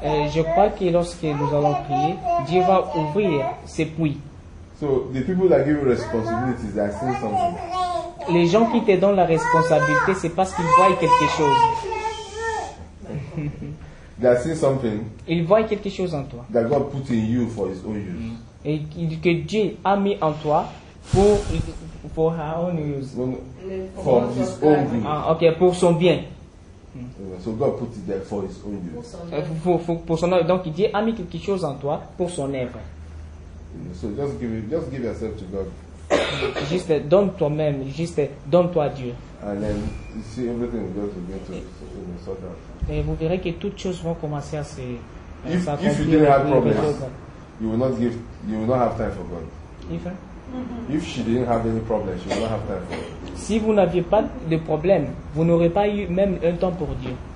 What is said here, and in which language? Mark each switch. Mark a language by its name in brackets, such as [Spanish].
[French] Je crois que lorsque nous allons prier, Dieu va ouvrir ses puits. [English] So the people that give you responsibilities, they are saying something. [French] Les gens qui te donnent la responsabilité, c'est parce qu'ils voient quelque chose. [English] They are saying something. [French] Ils voient quelque chose en toi. [English] That God put in you for His own use. [French] Et que Dieu a mis en toi pour [English] for her own use. For his own good. [French] Ah, okay, pour son bien. [English] So God put it there for his own use. [French] Pour son œuvre. Donc Dieu a mis quelque chose en toi pour son œuvre. [English] So just give yourself to God. [French] Juste donne toi-même, juste donne toi à Dieu. [English] And then you see everything will just begin to sort out. [French] Et vous verrez que toutes choses vont commencer à se s'accomplir. [English] If you didn't have problems, you will not have time for God. If If she didn't have any problems, she would not have time for it. [French] Si vous n'aviez pas de problème, vous n'aurez pas eu même un temps pour Dieu.